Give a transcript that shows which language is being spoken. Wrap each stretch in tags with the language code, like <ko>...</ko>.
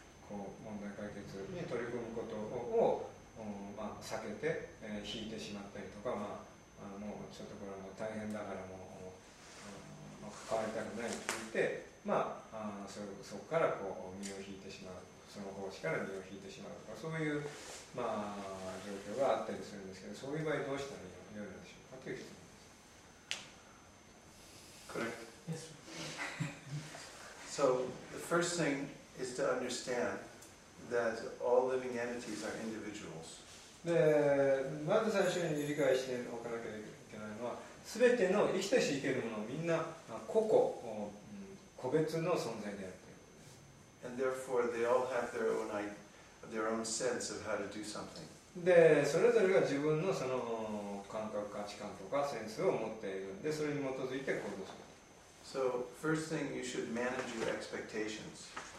<ja>問題解決に取り組むことを、まあ、避けて、引いてしまったりとか、まあ、もうちょっとこれはもう大変だからもう、まあ、関わりたくないって言って、まあ、そこからこう身を引いてしまう、その方針から身を引いてしまうとか、そういう、まあ、状況があったりするんですけど、そういう場合どうしたらよいのでしょうかという質問です。</ja> <en>Correct. Yes. So the first thingis to understand that all living entities are individuals.</en> <ja>で、まず最初に理解しておかなきゃいけないのは、すべての生きて死生けるものみんな個々個別の存在であって。</ja> <en>And therefore they all have their own sense of how to do something.</en> <ja>で、それぞれが自分のその感覚価値観とかセンスを持っているんで、それに基づいて行動する。</ja> <en>So first thing, you should manage your expectations.</en>